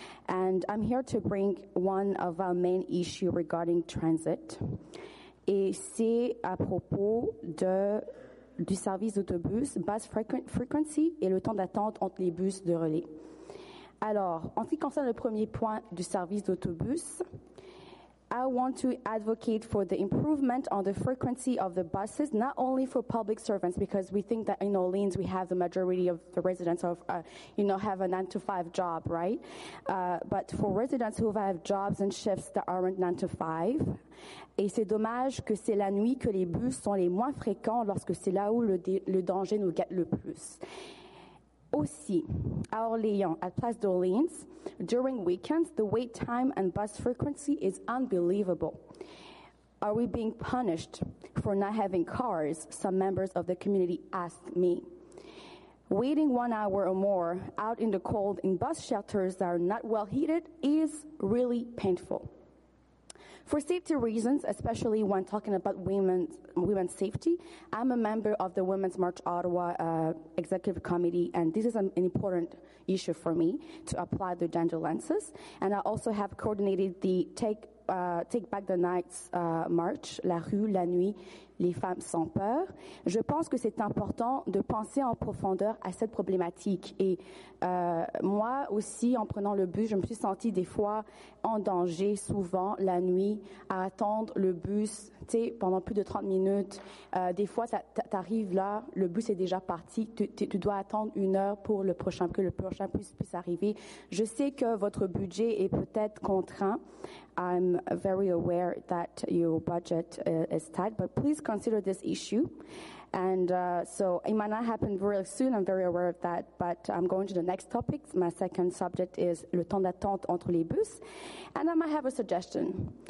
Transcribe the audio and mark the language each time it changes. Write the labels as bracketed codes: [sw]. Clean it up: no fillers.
[en] And I'm here to bring one of our main issues regarding transit. [fr] Et c'est à propos de... du service d'autobus, basse frequency et le temps d'attente entre les bus de relais. Alors, en ce qui concerne le premier point du service d'autobus, [en] I want to advocate for the improvement on the frequency of the buses, not only for public servants, because we think that in Orleans we have the majority of the residents of, you know, have a 9-to-5 job, right? But for residents who have jobs and shifts that aren't 9-to-5. [fr] Et c'est dommage que c'est la nuit que les bus sont les moins fréquents lorsque c'est là où le danger nous guette le plus. Aussi, à Orléans, à Place d'Orléans, [en] during weekends, the wait time and bus frequency is unbelievable. Are we being punished for not having cars? Some members of the community asked me. Waiting 1 hour or more out in the cold in bus shelters that are not well heated is really painful. For safety reasons, especially when talking about women's safety, I'm a member of the Women's March Ottawa Executive Committee, and this is an important issue for me to apply the gender lenses. And I also have coordinated the Take Back the Night's March, La Rue, La Nuit, Les Femmes Sans Peur. [fr] Je pense que c'est important de penser en profondeur à cette problématique. Et moi aussi, en prenant le bus, je me suis sentie des fois en danger, souvent, la nuit, à attendre le bus, tu sais, pendant plus de 30 minutes. Des fois, t'arrives là, le bus est déjà parti, tu dois attendre une heure pour que le prochain bus puisse arriver. Je sais que votre budget est peut-être contraint. [en] I'm very aware that your budget is tight, but please consider this issue. And so it might not happen very soon, I'm very aware of that, but I'm going to the next topic. My second subject is [fr] le temps d'attente entre les bus. [en] And I might have a suggestion.